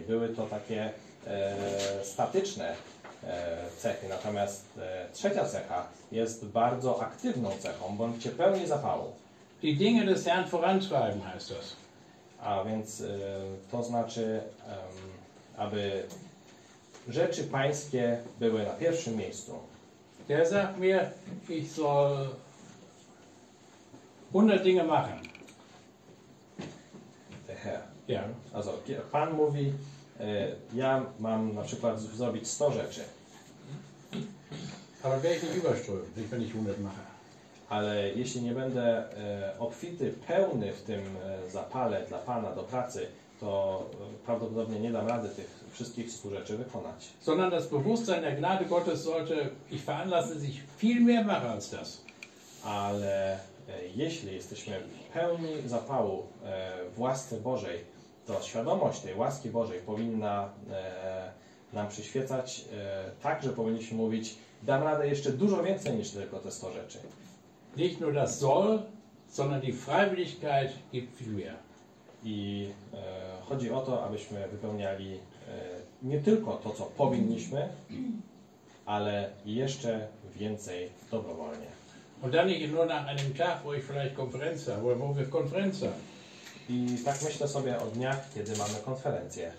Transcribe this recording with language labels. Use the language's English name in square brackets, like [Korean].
[Polish] Były to takie statyczne cechy. Natomiast trzecia cecha jest bardzo aktywną cechą. Bądźcie pełni zapału. [German] Die Dinge des Herrn vorantreiben, heißt das. A więc to znaczy, aby rzeczy pańskie były na pierwszym miejscu. Der sagt mir, ich soll 100 Dinge machen. Der Herr. Ja. [Polish] Also, Pan mówi, ja mam na przykład zrobić 100 rzeczy. [German] Aber werde ich nicht überströmen, wenn ich 100 mache. [Polish] Ale jeśli nie będę obfity, pełny w tym zapale dla Pana do pracy, to prawdopodobnie nie dam rady tych wszystkich 100 rzeczy wykonać. [German] Sondern das Bewusstsein der Gnade Gottes sollte ich veranlassen, sich viel mehr machen als das. [Polish] Ale jeśli jesteśmy pełni zapału w łasce Bożej, to świadomość tej łaski Bożej powinna nam przyświecać tak, że powinniśmy mówić, dam radę jeszcze dużo więcej niż tylko te 100 rzeczy. [German] Nicht nur das soll, sondern die Freiwilligkeit gibt viel mehr. [Polish] I chodzi o to, abyśmy wypełniali nie tylko to, co powinniśmy, ale jeszcze więcej dobrowolnie. [German] Und dann nicht nur nach einem Tag, wo ich vielleicht Konferenz habe, wo wir Konferenz haben. [Polish] I tak myślę sobie o dniach, kiedy mamy konferencję.